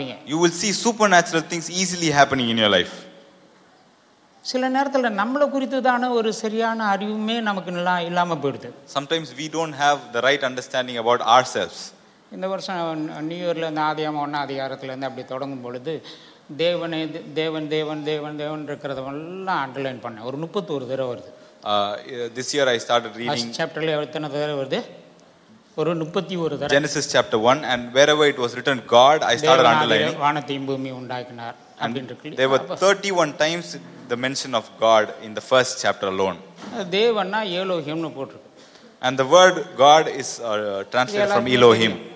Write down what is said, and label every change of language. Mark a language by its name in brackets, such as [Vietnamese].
[English] You will see supernatural things easily happening in your life. Sometimes we don't have the right understanding about ourselves. [Tamil] இந்த வருஷம் நியூயர்ல இருந்து ஆதியாம 1 அதிகாரத்துல இருந்து அப்படி தொடங்கும் பொழுது தேவனே தேவன் தேவன் தேவன் தேவன் இருக்கிறதெல்லாம் அண்டர்லைன் பண்ணேன். ஒரு 31 தடவை வருது. [English] This year I started reading [Tamil] chapter 11 தடவை வருது. ஒரு 31 தடவை [English] Genesis chapter 1 and wherever it was written God, I started underlining. [Tamil] வானத்தையும் பூமியையும் உண்டாக்கினார் அப்படின்னு இருக்கு. [English] There were 31 times the mention of God in the first chapter alone. [Tamil] தேவன்னா எலோஹிம்னு போட்டுருக்கு. [English] And the word God is translated from Elohim.